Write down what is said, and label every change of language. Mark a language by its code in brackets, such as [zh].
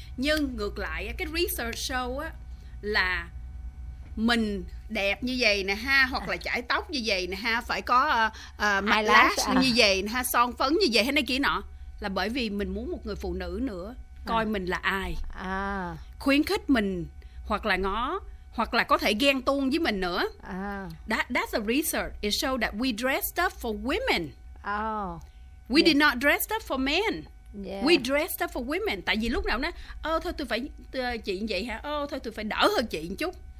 [vi] Nhưng ngược lại, cái research show á, là mình đẹp như vậy nè ha, hoặc là chải tóc như vậy nè ha, phải có mặt lash như vậy nè ha, son phấn như vậy hay này kia nọ, là bởi vì mình muốn một người phụ nữ nữa coi mình là ai, khuyến khích mình, hoặc là ngó, hoặc là có thể ghen tuông với mình nữa. [en] That's a research. It showed that we dressed up for women. We did not dress up for men. We dressed up for women. [vi] Tại vì lúc nào nó, thôi tôi phải chị vậy hả? Thôi tôi phải đỡ hơn chị một chút.